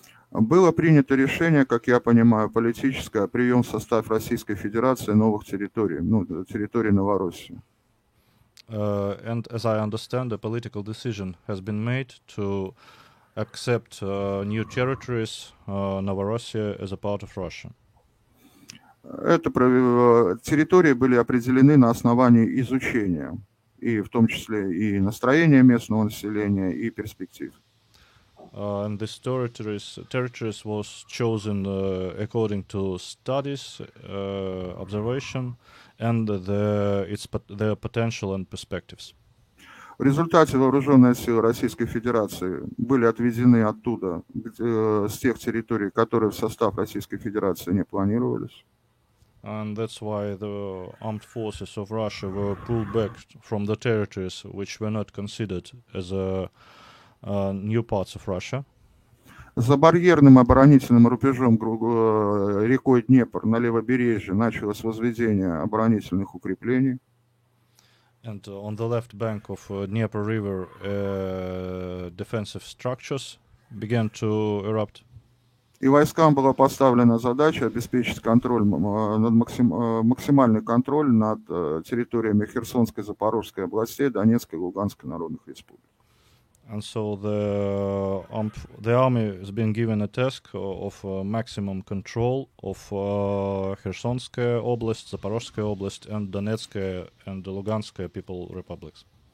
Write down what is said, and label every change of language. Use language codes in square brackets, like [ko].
[ru] Было принято решение, как я понимаю, политическое, прием в состав Российской Федерации новых территорий, ну, территории Новороссии. [en] And as I understand, a political decision has been made to accept new territories, Novorossiya, as a part of Russia. [ru] Это территории были определены на основании изучения, и в том числе и настроения местного населения, и перспектив. [en] And these territories was chosen according to studies, observation, and their potential and perspectives. [ru] В результате вооруженные силы Российской Федерации были отведены оттуда, с тех территорий, которые в состав Российской Федерации не планировались. [en] And that's why the armed forces of Russia were pulled back from the territories which were not considered as new parts of Russia. [ru] За барьерным оборонительным рубежом рекой Днепр на левобережье началось возведение оборонительных укреплений. [en] And on the left bank of Dnieper River, defensive structures began to erupt. [ru] И войскам была поставлена задача обеспечить контроль, максимальный контроль над территориями Херсонской, Запорожской областей, Донецкой и Луганской народных республик. [en] And so the army has been given a task of maximum control of Херсонская область, Запорожская область and Донецкая and Луганская People Republics.